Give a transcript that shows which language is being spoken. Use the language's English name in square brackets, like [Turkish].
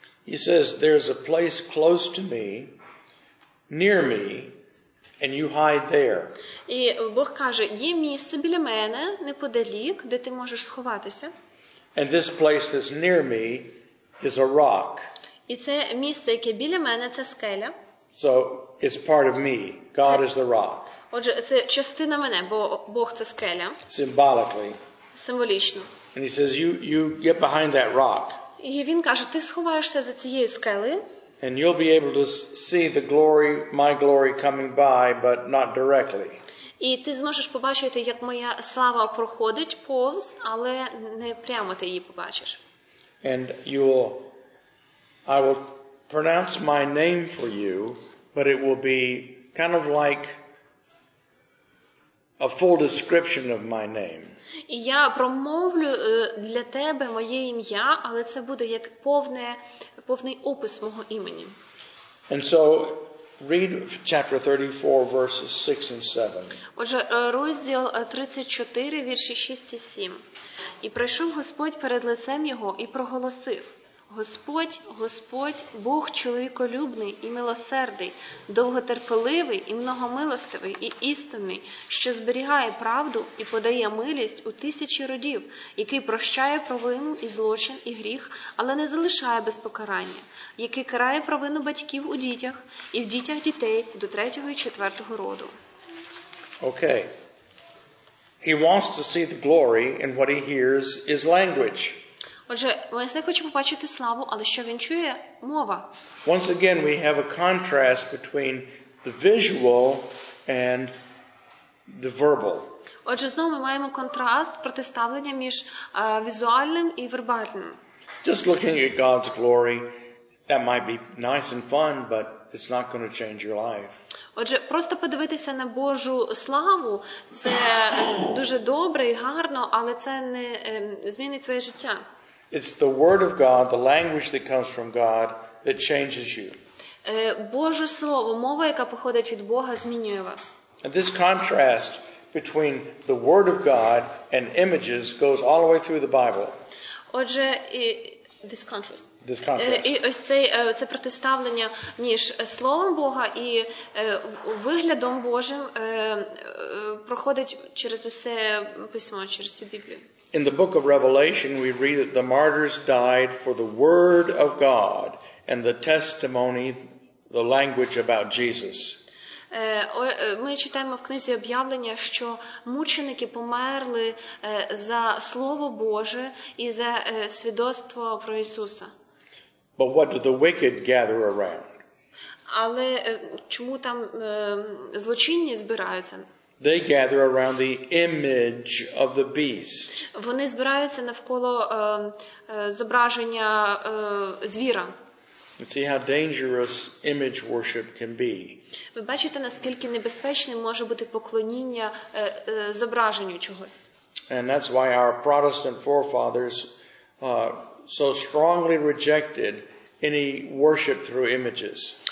[English] He says, there's a place close to me, near me, and you hide there. [Ukrainian] І Бог каже: "Є місце біля мене, неподалік, де ти можеш сховатися." [English] And this place that's near me is a rock. [Ukrainian] І це місце, яке біля мене, це скеля. [English] So it's part of me. God is the rock. [Ukrainian] Отже, це частина мене, бо Бог це скеля. [English] Symbolically. [Ukrainian] Символічно. [English] And he says, you get behind that rock. [Ukrainian] І він каже: "Ти сховаєшся за цією скелею." [English] And you'll be able to see the glory, my glory coming by, but not directly. [Ukrainian] І ти зможеш побачити, як моя слава проходить повз, але не прямо ти її побачиш. [English] And I will pronounce my name for you, but it will be kind of like a full description of my name. [Ukrainian] І я промовлю для тебе моє ім'я, але це буде як повний опис мого імені. [English] And so read chapter 34 verses 6 and 7. [Ukrainian] Отже, розділ 34, вірші 6 і 7. І прийшов Господь перед лицем його і проголосив: "Господь, Господь, Бог чоловіколюбний і милосердий, довготерпеливий і многомилостивий і істинний, що зберігає правду і подає милість у тисячі родів, який прощає провину і злочин і гріх, але не залишає без покарання, який карає провину батьків у дітях і в дітях дітей до третього і четвертого роду." [English] Okay. He wants to see the glory, and what he hears is language. [Ukrainian] Отже, Мойсей хоче побачити славу, але що він чує? Мова. [English] Once again we have a contrast between the visual and the verbal. [Ukrainian] Отже, знову ми маємо контраст, протиставлення між візуальним і вербальним. [English] Just looking at God's glory, that might be nice and fun, but it's not going to change your life. [Ukrainian] Отже, просто подивитися на Божу славу – це дуже добре і гарно, але це не змінить твоє життя. [English] It's the word of God, the language that comes from God, that changes you. [Ukrainian] Боже слово, мова, яка походить від Бога, змінює вас. [English] And this contrast between the word of God and images goes all the way through the Bible. [Ukrainian] Отже, [English] this contrast. This contrast. [Ukrainian] І ось це протиставлення між словом Бога і виглядом Божим проходить через усе письмо, через всю Біблію. [English] In the book of Revelation we read that the martyrs died for the word of God and the testimony, the language about Jesus. [Ukrainian] Ми читаємо в книзі об'явлення, що мученики померли за слово Боже і за свідоцтво про Ісуса. [English] But what did the wicked gather around? [Ukrainian] Але чому там злочинні збираються? [English] They gather around the image of the beast. [Ukrainian] Вони збираються навколо зображення звіра. [English] See how dangerous image worship can be. [Ukrainian] Ви бачите, наскільки небезпечним може бути поклоніння зображенню чогось. [English] And that's why our Protestant forefathers so strongly rejected any worship through images.